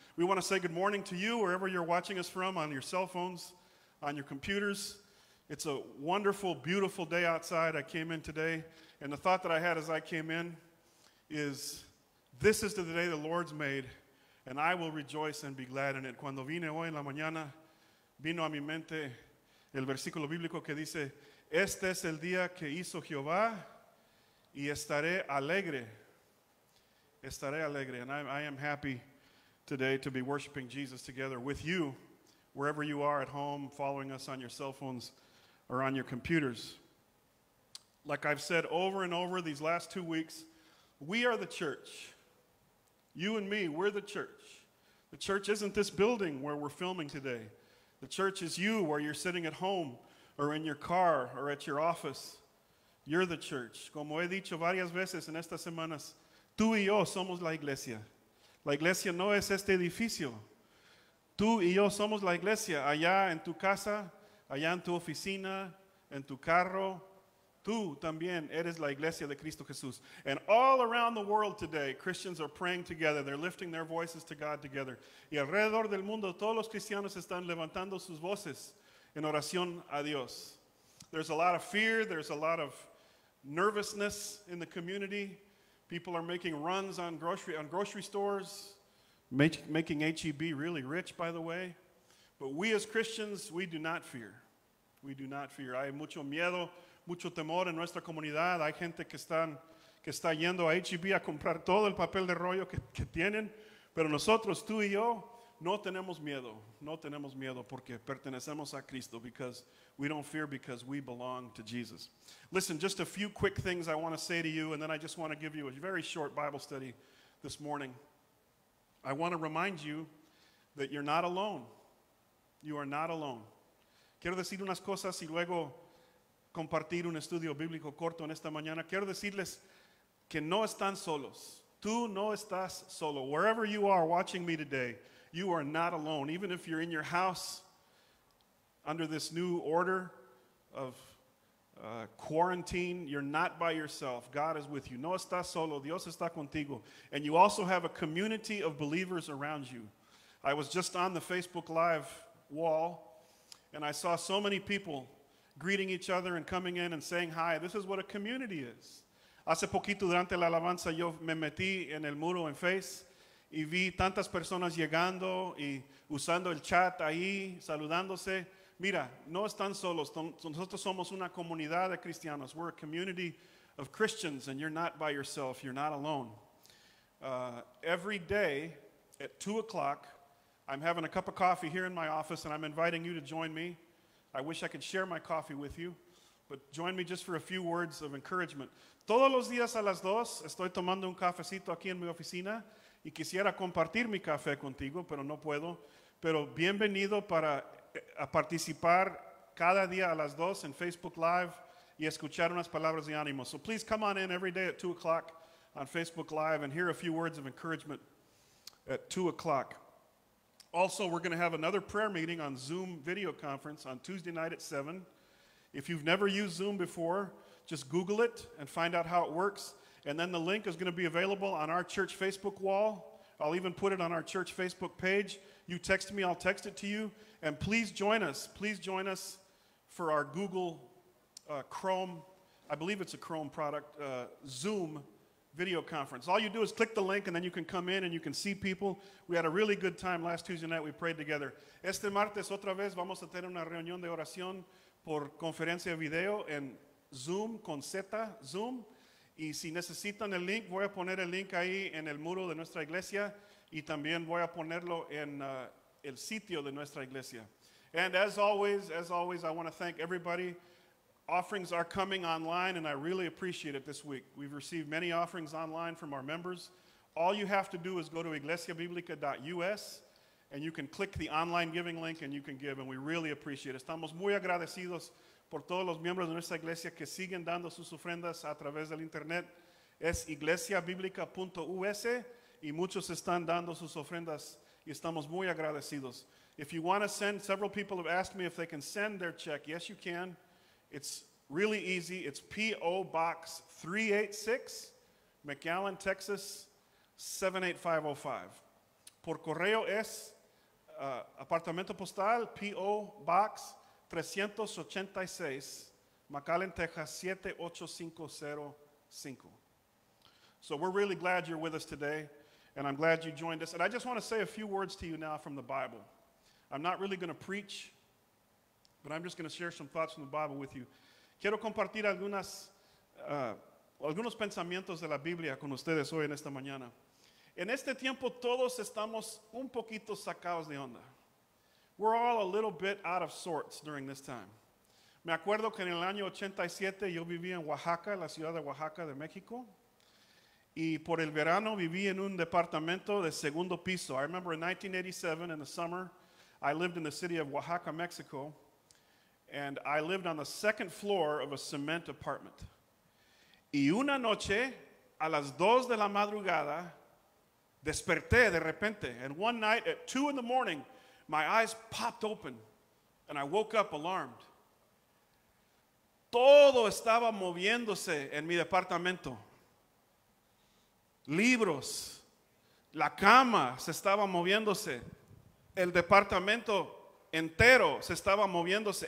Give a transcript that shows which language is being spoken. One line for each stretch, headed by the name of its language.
English: We want to say good morning to you, wherever you're watching us from, on your cell phones, on your computers. It's a wonderful, beautiful day outside. I came in today, and the thought that I had as I came in is, this is the day the Lord's made, and I will rejoice and be glad in it.
Spanish: Cuando vine hoy en la mañana, vino a mi mente el versículo bíblico que dice, este es el día que hizo Jehová y estaré alegre. Estaré alegre.
English: And I am happy today to be worshiping Jesus together with you, wherever you are at home, following us on your cell phones or on your computers. Like I've said over and over these last 2 weeks, we are the church. You and me, we're the church. The church isn't this building where we're filming today. The church is you, where you're sitting at home, or in your car, or at your office. You're the church.
Spanish: Como he dicho varias veces en estas semanas, tú y yo somos la iglesia. La iglesia no es este edificio. Tú y yo somos la iglesia. Allá en tu casa, allá en tu oficina, en tu carro, tú también eres la iglesia de Cristo Jesús.
English: And all around the world today, Christians are praying together. They're lifting their voices to God together.
Spanish: Y alrededor del mundo, todos los cristianos están levantando sus voces en oración a Dios.
English: There's a lot of fear. There's a lot of nervousness in the community. People are making runs on grocery stores, making HEB really rich, by the way. But we as Christians, we do not fear. We do not fear.
Spanish: Hay mucho miedo. Mucho temor en nuestra comunidad. Hay gente que está yendo a HEB a comprar todo el papel de rollo que tienen. Pero nosotros, tú y yo, No tenemos miedo, no tenemos miedo porque pertenecemos a Cristo,
English: because we don't fear because we belong to Jesus. Listen, just a few quick things I want to say to you, and then I just want to give you a very short Bible study this morning. I want to remind you that you're not alone. You are not alone.
Spanish: Quiero decir unas cosas y luego compartir un estudio bíblico corto en esta mañana. Quiero decirles que no están solos. Tú no estás solo.
English: Wherever you are watching me today, you are not alone. Even if you're in your house under this new order of quarantine, you're not by yourself. God is with you.
Spanish: No estás solo. Dios está contigo.
English: And you also have a community of believers around you. I was just on the Facebook Live wall, and I saw so many people greeting each other and coming in and saying hi. This is what a community is.
Spanish: Hace poquito durante la alabanza yo me metí en el muro en Face y vi tantas personas llegando y usando el chat ahí, saludándose. Mira, no están solos. Nosotros somos una comunidad de cristianos.
English: We're a community of Christians, and you're not by yourself. You're not alone. Every day at 2 o'clock, I'm having a cup of coffee here in my office, and I'm inviting you to join me. I wish I could share my coffee with you, but join me just for a few words of encouragement. Todos los días a las 2, estoy tomando un cafecito aquí en mi oficina, y quisiera compartir mi café contigo, pero no puedo. Pero bienvenido para a participar cada día a las 2 en Facebook Live y escuchar unas palabras de ánimo. So please come on in every day at 2 o'clock on Facebook Live and hear a few words of encouragement at 2 o'clock. Also, we're going to have another prayer meeting on Zoom video conference on Tuesday night at 7. If you've never used Zoom before, just Google it and find out how it works. And then the link is going to be available on our church Facebook wall. I'll even put it on our church Facebook page. You text me, I'll text it to you. And please join us. Please join us for our Google Chrome, I believe it's a Chrome product, Zoom video conference. All you do is click the link, and then you can come in and you can see people. We had a really good time last Tuesday night. We prayed together.
Spanish: Este martes otra vez vamos a tener una reunión de oración por conferencia video en Zoom, con Z, Zoom. Y si necesitan el link, voy a poner el link ahí en el muro de nuestra iglesia, y también voy a ponerlo en el sitio de nuestra iglesia.
English: And as always, I want to thank everybody. Offerings are coming online, and I really appreciate it this week. We've received many offerings online from our members. All you have to do is go to iglesiabiblica.us, and you can click the online giving link, and you can give, and we really appreciate it.
Spanish: Estamos muy agradecidos por todos los miembros de nuestra iglesia que siguen dando sus ofrendas a través del internet. Es iglesiabiblica.us, y muchos están dando sus ofrendas, y estamos muy agradecidos.
English: If you want to send, several people have asked me if they can send their check. Yes, you can. It's really easy. It's P.O. Box 386, McAllen, Texas, 78505.
Spanish: Por correo es Apartamento Postal, P.O. Box 386, McAllen, Texas, 78505.
English: So we're really glad you're with us today, and I'm glad you joined us. And I just want to say a few words to you now from the Bible. I'm not really going to preach, but I'm just going to share some thoughts from the Bible with you.
Spanish: Quiero compartir algunos pensamientos de la Biblia con ustedes hoy en esta mañana. En este tiempo todos estamos un poquito sacados de onda.
English: We're all a little bit out of sorts during this time.
Spanish: Me acuerdo que en el año 87 yo vivía en Oaxaca, la ciudad de Oaxaca de México. Y por el verano viví en un departamento de segundo piso.
English: I remember in 1987 in the summer I lived in the city of Oaxaca, Mexico. And I lived on the second floor of a cement apartment.
Spanish: Y una noche, a las 2 de la madrugada, desperté de repente.
English: And one night at 2 in the morning, my eyes popped open. And I woke up alarmed.
Spanish: Todo estaba moviéndose en mi departamento. Libros. La cama se estaba moviéndose. El departamento entero se estaba moviéndose.